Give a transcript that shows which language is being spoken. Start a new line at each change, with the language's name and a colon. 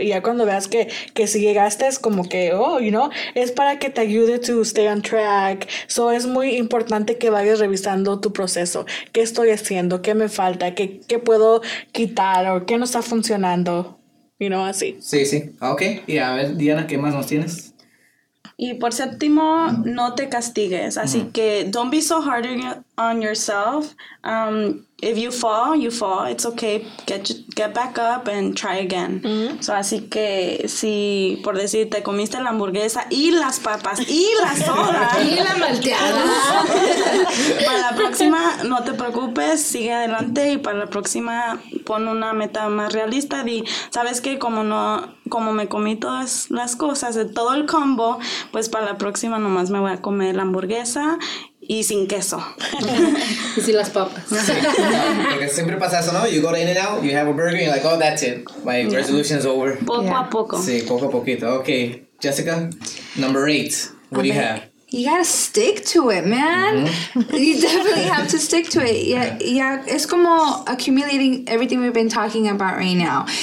Spanish: Y ya cuando veas que si llegaste es como que, oh,
English: you know,
Spanish: es para que te ayude
English: to stay on track. So
Spanish: es muy importante que vayas revisando tu proceso. ¿Qué estoy haciendo? ¿Qué me falta? ¿Qué puedo quitar? ¿O qué no está funcionando?
English: You know,
Spanish: así. Sí, sí. Ok. Y a ver, Diana, ¿qué más nos tienes? Y por séptimo, no te castigues. Así que,
English: don't be so hard on yourself. If you fall, you fall. It's okay. Get back up and try again. Mm-hmm. So,
Spanish: así que, si por decir, te comiste la hamburguesa y las papas y la soda. Y la malteada. Para la próxima, no te preocupes. Sigue adelante y para la próxima, pon una meta más realista. Di, ¿sabes qué? Como me comí todas las cosas, de todo el combo, pues para la próxima nomás me voy a comer la hamburguesa y sin queso. Y sin las papas. No, porque siempre pasa eso, ¿no?
English: You go to In-N-Out, you have a burger, you're like, oh, that's it. My resolution is over.
Spanish: Poco a poco. Sí, poco a poquito.
English: Okay, Jessica, number 8. What do you have? You gotta stick to it, man. Mm-hmm. You definitely have to stick to it. Yeah, yeah. It's como accumulating everything we've been talking about right now.